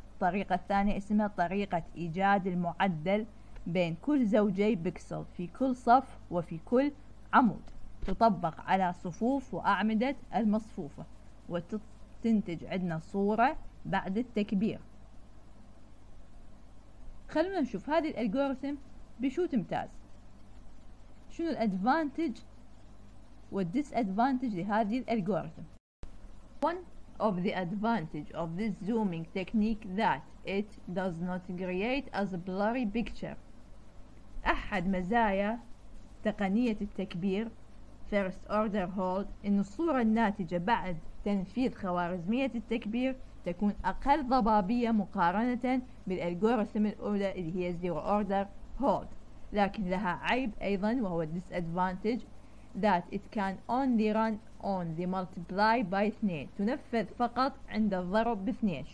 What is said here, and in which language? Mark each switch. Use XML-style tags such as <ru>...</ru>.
<ar>الطريقة الثانية اسمها طريقة إيجاد المعدل بين كل زوجي بكسل في كل صف وفي كل عمود، تطبق على صفوف وأعمدة المصفوفة وتنتج عندنا صورة بعد التكبير. خلونا نشوف هذه الألغوريثم بشو تمتاز، شنو الأدفانتج والديس أدفانتج لهذه الألغوريثم.</ar> <en>Of the advantage of this zooming technique that it does not create as a blurry picture.</en> <ar>أحد مزايا تقنية التكبير first order hold إن الصورة الناتجة بعد تنفيذ خوارزمية التكبير تكون أقل ضبابية مقارنة بالألغوريثم الأولى اللي هي zero order hold، لكن لها عيب أيضا وهو</ar> <en>disadvantage that it can only run on the multiply by 2،</en> <ar>تنفذ فقط عند الضرب باثنين.</ar>